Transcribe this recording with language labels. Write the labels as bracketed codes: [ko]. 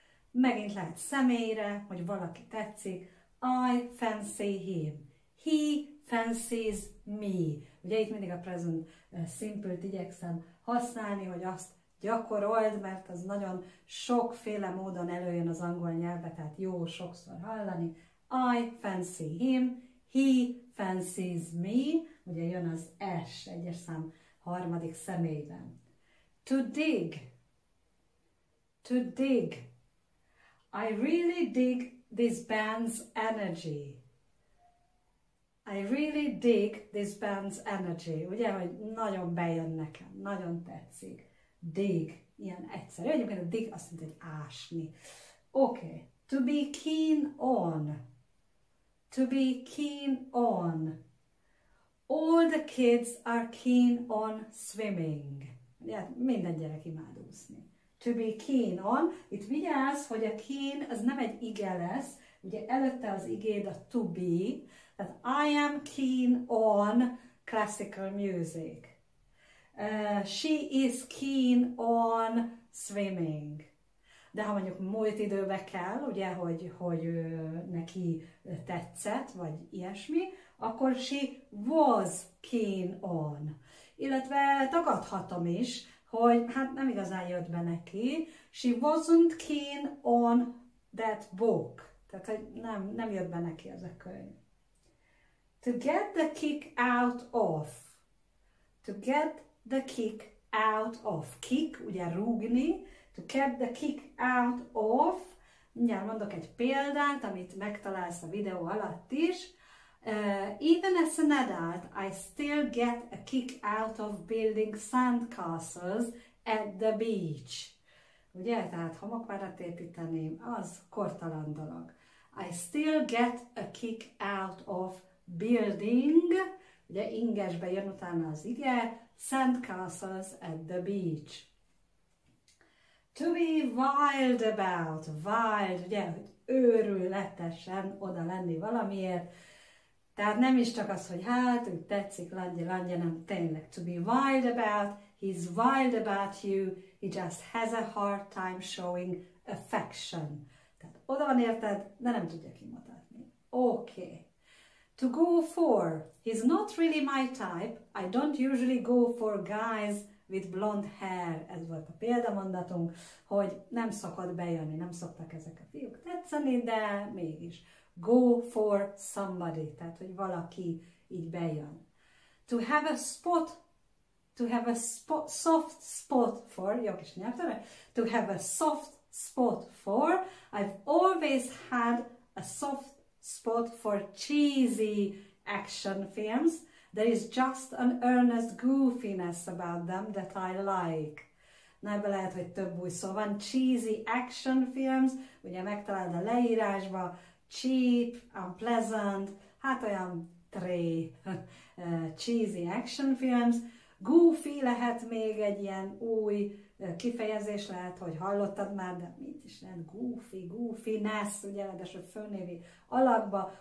[hu] Megint lehet személyre, hogy valaki tetszik. [en] I fancy him. He fancies me. [hu] Ugye itt mindig a present simple-t igyekszem használni, hogy azt gyakorold, mert az nagyon sokféle módon előjön az angol nyelvbe, tehát jó sokszor hallani. [en] I fancy him, he fancies me. [hu] Ugye jön az S, egyes szám harmadik személyben. [en] To dig. To dig. I really dig this band's energy. I really dig this band's energy. [hu] Ugye, hogy nagyon bejön nekem, nagyon tetszik. Dig, ilyen egyszerű. Egyébként a dig azt mondja, hogy ásni. [en] Oké. Okay. To be keen on. To be keen on. All the kids are keen on swimming. [hu] Ugye, minden gyerek imád úszni. [en] To be keen on. [hu] Itt vigyázz, hogy a keen az nem egy ige lesz. Ugye előtte az igéd a to be. [en] Tehát I am keen on classical music. She is keen on swimming. [hu] De ha mondjuk múlt időbe kell, ugye, hogy neki tetszett, vagy ilyesmi, akkor [en] she was keen on. [hu] Illetve tagadhatom is, hogy hát nem igazán jött be neki. [en] She wasn't keen on that book. [hu] Tehát, hogy nem jött be neki az a könyv. [en] To get the kick out of. To get the kick out of. Kick, [hu] ugye rúgni. [en] To get the kick out of. [hu] Mindjárt mondok egy példát, amit megtalálsz a videó alatt is. [en] Even as an adult, I still get a kick out of building sandcastles at the beach. [hu] Ugye, tehát homokvárat építeném, az kortalan dolog. [en] I still get a kick out of building. [hu] Ugye ingesbe jön utána az ige. [en] Sandcastles at the beach. To be wild about. [hu] Wild, ugye, hogy őrületesen oda lenni valamiért. Tehát nem is csak az, hogy hát, úgy tetszik, landja, nem tényleg. [en] To be wild about. He's wild about you. He just has a hard time showing affection. [hu] Tehát oda van érted, de nem tudja kimutatni. [en] Oké. Okay. To go for. He's not really my type. I don't usually go for guys with blonde hair. [hu] Ez volt a példamondatunk, hogy nem szokott bejönni, nem szoktak ezek a fiúk tetszeni, de mégis. [en] go for somebody, [hu] tehát hogy valaki így bejön. [en] To have a spot, to have a spot, soft spot for, [hu] jó kis nyelvtanulás, [en] to have a soft spot for, I've always had a soft spot for cheesy action films. There is just an earnest goofiness about them that I like. [hu] Na, ebben lehet, hogy több új szó van. [en] Cheesy action films, [hu] ugye megtaláld a leírásba, [en] cheap, unpleasant, [hu] hát olyan tré, [en] cheesy action films. [hu] Goofy lehet még egy ilyen új kifejezés, lehet, hogy hallottad már, de mit is lehet, goofy, goofiness, ugye, de a főnévi alakba.